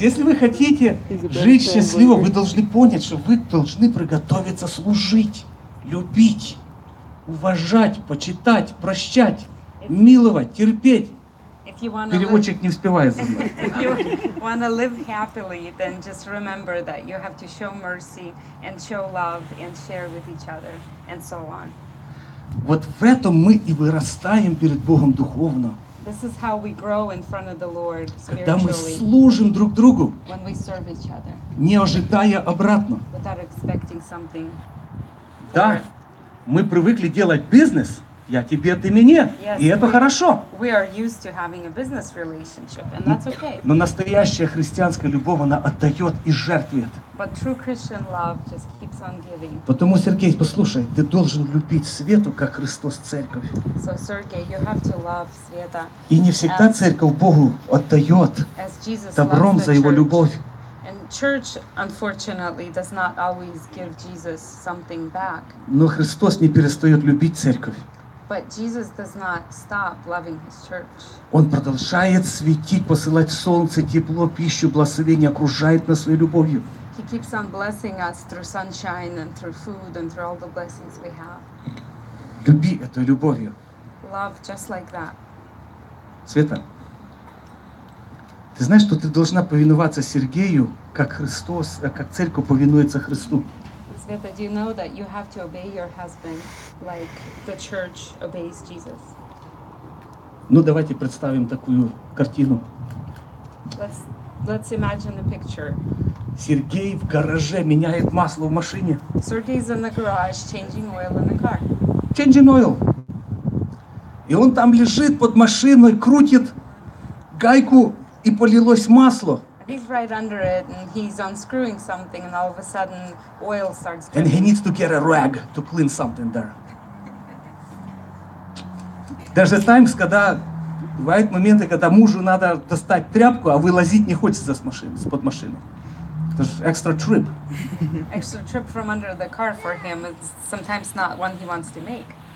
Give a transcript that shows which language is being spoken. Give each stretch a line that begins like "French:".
Russian: Если вы хотите жить счастливо, вы должны понять, что вы должны приготовиться служить, любить, уважать, почитать, прощать, миловать, терпеть. Переводчик не успевает за мной.
English: If you want to live happily, then just remember that you have to show mercy and show love and share with each other and so on.
Russian: Вот в этом мы и вырастаем перед Богом духовно.
English: This is how we grow in front of the Lord spiritually.
Russian: Когда мы служим друг другу,
English: when we serve each other,
Russian: не ожидая обратно.
English: Without expecting something.
Russian: Да, мы привыкли делать бизнес. Я тебе, ты мне.
English: Yes,
Russian: и это хорошо.
English: We are used to having a business relationship, and that's okay.
Russian: Но настоящая христианская любовь, она отдает и жертвует.
English: But true Christian love just keeps on giving.
Russian: Потому, Сергей, послушай, ты должен любить Свету, как Христос Церковь.
English: So, Sergey, you have to love Sveta.
Russian: И не всегда
English: as,
Russian: Церковь Богу отдает
English: as Jesus
Russian: добром
English: loves
Russian: за Его любовь.
English: Church, unfortunately, does not always give Jesus something back.
Russian: Но Христос не перестает любить Церковь.
English: But Jesus does not stop loving his church.
Russian: Он продолжает светить, посылать солнце, тепло, пищу, благословение, окружает нас своей любовью.
English: He keeps on blessing us through sunshine and through food and through all the blessings we have.
Russian: Люби этой любовью.
English: Love just like that.
Russian: Света, ты знаешь, что ты должна повиноваться Сергею, как Христос, как Церковь повинуется Христу?
English: Света, do you know that you have to obey your husband like the church obeys Jesus?
Russian: Ну, давайте представим такую картину.
English: Let's imagine a picture.
Russian: Сергей в гараже меняет масло в машине.
English: Sergey's in the garage changing oil in the car. Changing oil.
Russian: И он там лежит под машиной, крутит гайку, и полилось масло.
English: He's right under it, and he's unscrewing something, and all of a sudden, oil starts dripping. And he needs to get a rag to clean something there. There's a times,
Russian: когда бывают моменты, когда мужу надо достать тряпку, а вылазить не хочется с машины, с под машины.
English: There's extra trip. Extra trip from under the car for him is sometimes not one he wants to make.